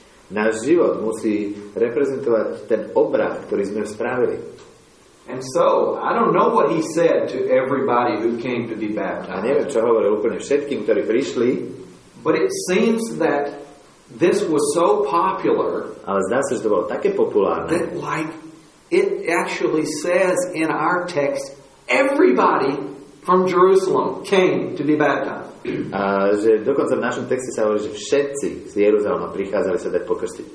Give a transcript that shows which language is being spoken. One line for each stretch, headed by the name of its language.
Slovak: Náš život musí reprezentovať ten obrat, ktorý sme spravili.
English: And so, I don't know what he said to everybody who came to be baptized.
Slovak: A neviem, čo hovoril úplne všetkým, ktorí prišli.
English: But it seems that this was so popular.
Slovak: Ale zdá sa, že to bolo také populárne.
English: That like it actually says in our text, everybody from Jerusalem came to be baptized.
Slovak: Že dokonca v našom texte sa hovorí, že všetci z Jeruzalema prichádzali sa dať pokrstiť.